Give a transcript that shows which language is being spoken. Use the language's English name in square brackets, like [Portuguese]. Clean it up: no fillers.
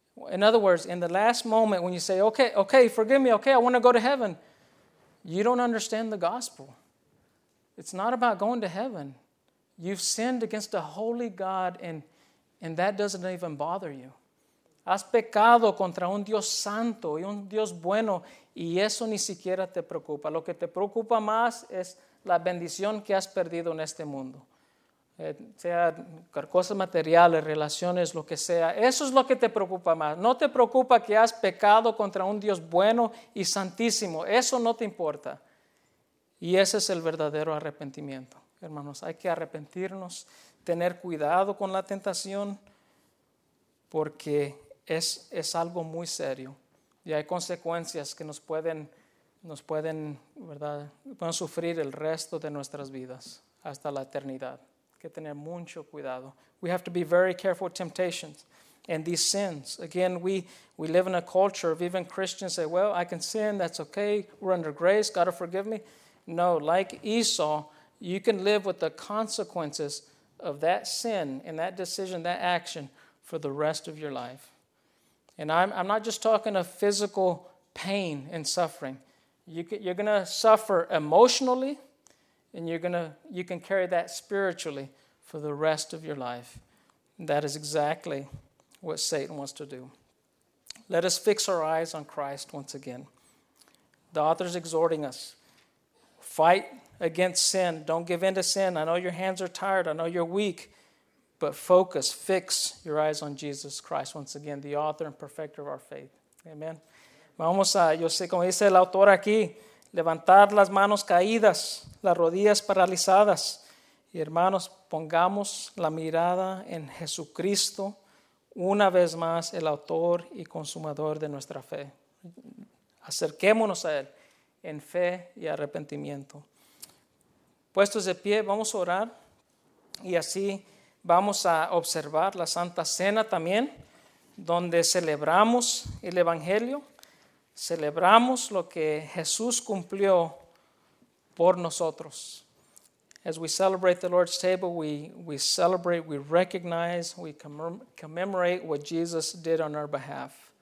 [English] In other words, in the last moment when you say, okay, forgive me, okay, I want to go to heaven, you don't understand the gospel. It's not about going to heaven. You've sinned against a holy God, and that doesn't even bother you. [Spanish] Has pecado contra un Dios santo y un Dios bueno, y eso ni siquiera te preocupa. Lo que te preocupa más es la bendición que has perdido en este mundo. Sea cosas materiales, relaciones, lo que sea. Eso es lo que te preocupa más. No te preocupa que has pecado contra un Dios bueno y santísimo. Eso no te importa. Y ese es el verdadero arrepentimiento. Hermanos, hay que arrepentirnos, tener cuidado con la tentación, porque es algo muy serio. Y hay consecuencias que nos pueden, ¿verdad? Pueden sufrir el resto de nuestras vidas hasta la eternidad. Hay que tener mucho cuidado. [English] We have to be very careful with temptations and these sins. Again, we live in a culture of even Christians say, well, I can sin, that's okay, we're under grace, God will forgive me. No, like Esau, you can live with the consequences of that sin and that decision, that action, for the rest of your life. And I'm not just talking of physical pain and suffering. You're going to suffer emotionally, and you can carry that spiritually for the rest of your life. And that is exactly what Satan wants to do. Let us fix our eyes on Christ once again. The author's exhorting us. Fight against sin. Don't give in to sin. I know your hands are tired. I know you're weak. But focus. Fix your eyes on Jesus Christ once again, the author and perfecter of our faith. Amen. [Spanish] Vamos a, yo sé, como dice el autor aquí, levantar las manos caídas, las rodillas paralizadas. Y hermanos, pongamos la mirada en Jesucristo, una vez más, el autor y consumador de nuestra fe. Acerquémonos a Él en fe y arrepentimiento. Puestos de pie, vamos a orar, y así vamos a observar la Santa Cena también, donde celebramos el Evangelio, celebramos lo que Jesús cumplió por nosotros. [English] As we celebrate the Lord's table, we celebrate, we recognize, we commemorate what Jesus did on our behalf.